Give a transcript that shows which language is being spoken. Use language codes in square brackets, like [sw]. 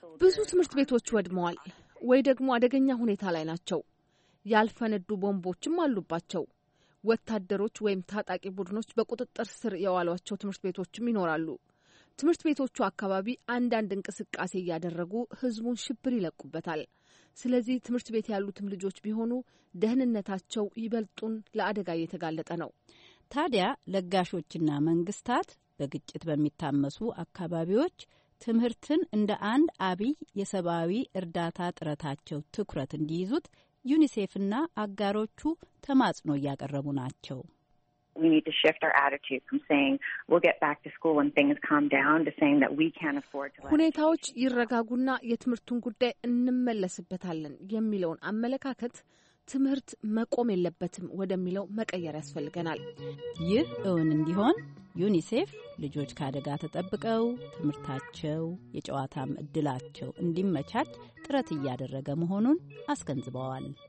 [am] ብዙ ትምህርት ቤቶች ወድመዋል ወይ ደግሞ አደገኛ ሁኔታ ላይ ናቸው። ያልፈነዱ ቦምቦችም አሉባቸው። ወታደሮች ወይም ታጣቂ ቡድኖች በቁጥጥር ስር የዋሏቸው ትምህርት ቤቶችም ይኖራሉ። ትምህርት ቤቶቹ አካባቢ አንዳንድ እንቅስቃሴ ያደረጉ ህዝቡን ሽብር ይለቁበታል። ስለዚህ ትምህርት ቤት ያሉትም ልጆች ቢሆኑ ደህንነታቸው ይበልጡን ለአደጋ እየተጋለጠ ነው። ታዲያ ለጋሾችና መንግስታት በግጭት በሚታመሱ አካባቢዎች ትምህርትን እንደ አንድ አብይ የሰብአዊ እርዳታ ጥረታቸው ትኩረት እንዲይዙት ዩኒሴፍና አጋሮቹ ተማጽኖ ያቀረቡ ናቸው። [en] we need to shift our attitude from saying we'll get back to school when things calm down to saying that we can't afford to let [am] ሁኔታዎች ይረጋጉና የትምርቱን ጉዳይ እንመለስበታለን የሚለውን አመለካከት ትምህርት መቆም የለበትም ወደሚለው መቀየር ያስፈልገናል። ይህ እውን እንዲሆን ዩኒሴፍ ልጆች ካደጋ ተጠብቀው ትምርታቸው የጨዋታም እድላቸው እንዲመቻች ጥረት ያደረገ መሆኑን አስገንዝበዋል።